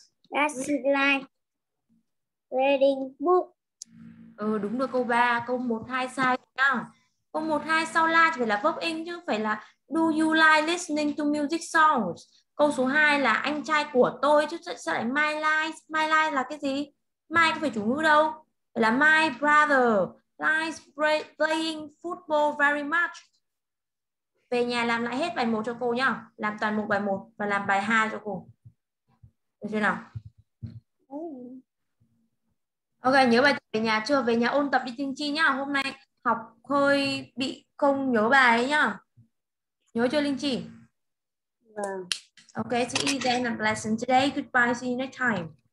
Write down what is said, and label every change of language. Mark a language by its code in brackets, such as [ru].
[en] Does she like reading book? [vi] Ừ, đúng rồi câu 3. Câu 1, 2 sai nhá. Câu 1, 2 sau like thì phải là verb in chứ. Phải là [en] do you like listening to music songs? [vi] Câu số 2 là anh trai của tôi chứ sao lại [en] my like? My like [vi] là cái gì? My có phải chủ ngữ đâu. Phải là [en] my brother likes playing football very much. [vi] Về nhà làm lại hết bài 1 cho cô nhá. Làm toàn bộ bài 1 và làm bài 2 cho cô. Được chưa nào? Ok, nhớ bài về nhà chưa? Về nhà ôn tập đi Tinh Chi nhá. Hôm nay học hơi bị không nhớ bài ấy nhá. Nhớ chưa Linh Chi? Vâng. [en] Ok, see you then and bless you today. Goodbye, see you next time.